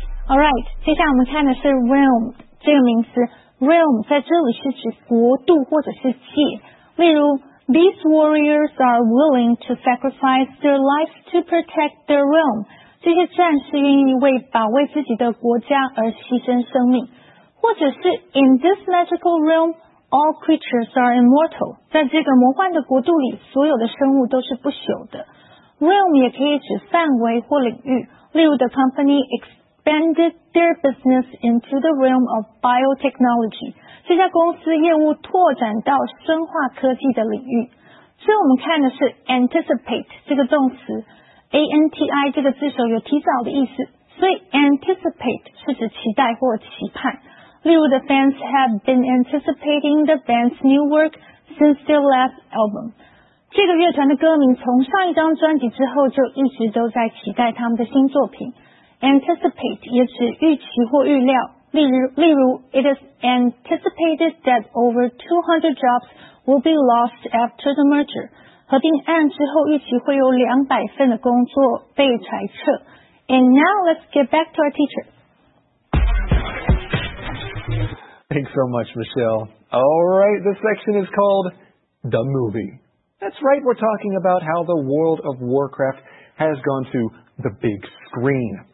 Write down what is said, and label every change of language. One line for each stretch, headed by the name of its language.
English: All right,
Chinese: 接下来我们看的是 realm 这个名词。
English: realm
Chinese: 在这里是指国度或者是界，例如
English: these warriors are willing to sacrifice their lives to protect their realm.
Chinese: 这些战士愿意为保卫自己的国家而牺牲生命，或者是
English: in this magical realm, all creatures are immortal.
Chinese: 在这个魔幻的国度里，所有的生物都是不朽的。
English: realm
Chinese: 也可以指范围或领域，例如
English: the company expanded their business into the realm of biotechnology.
Chinese: 这家公司业务拓展到生化科技的领域。所以我们看的是 anticipate 这个动词， A-N-T-I 这个字首有提早的意思， 所以 anticipate 是指期待或期盼。例如
English: the fans have been anticipating the band's new work since their last album.
Chinese: 这个乐团的歌迷从上一张专辑之后就一直都在期待他们的新作品。 anticipate 也指预期或预料。例如
English: it is anticipated that over 200 jobs will be lost after the merger.
Chinese: 合并案之后预期会有200份的工作被裁撤。
English: And now let's get back to our teacher. Thanks so much, Michelle. All right, this section is called The Movie. That's right, we're talking about how the World of Warcraft has gone to the big screen.